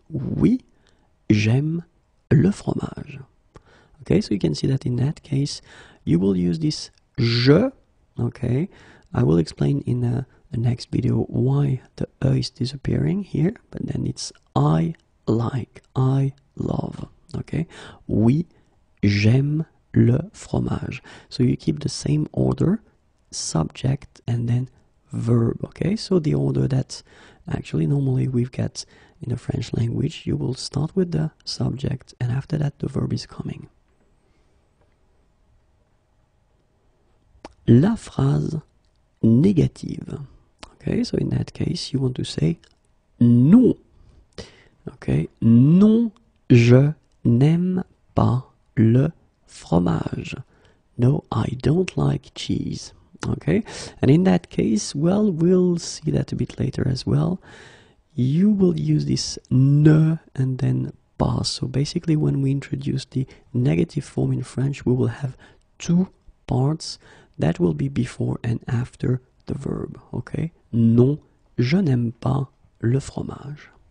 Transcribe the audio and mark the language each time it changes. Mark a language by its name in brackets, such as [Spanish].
[French] Oui, j'aime le fromage. [English] Okay, so you can see that in that case, you will use this je. Okay, I will explain in the next video why the e is disappearing here. But then it's I like, I love. [French] Okay, oui, j'aime le fromage. [English] So you keep the same order, subject and then verb. Okay, so the order that actually normally we've got in the French language, you will start with the subject and after that the verb is coming. [French] La phrase négative. [English] Okay, so in that case you want to say non. [French] Okay, non, je n'aime pas le fromage. [English] No, I don't like cheese. Okay, and in that case, well, we'll see that a bit later as well. You will use this ne and then pas. So basically when we introduce the negative form in French, we will have two parts that will be before and after the verb. [French] Okay, non, je n'aime pas le fromage.